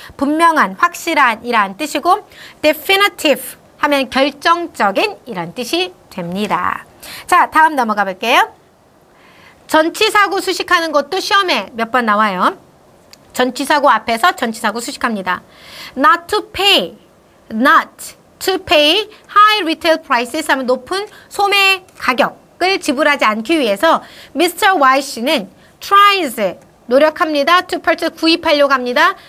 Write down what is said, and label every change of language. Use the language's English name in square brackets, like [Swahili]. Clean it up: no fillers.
[Korean] 분명한, 확실한 이란 뜻이고 definitive 하면 결정적인 이란 뜻이 됩니다. 자, 다음 넘어가 볼게요. 전치사구 수식하는 것도 시험에 몇 번 나와요. 전치사구 앞에서 전치사구 수식합니다. [English] Not to pay, not to pay high retail prices [Korean] 하면 높은 소매 가격 을 지불하지 않기 위해서 [English] Mr. [Korean] Y씨는 tries 노력합니다. [English] to purchase [Korean] 구입하려고 합니다.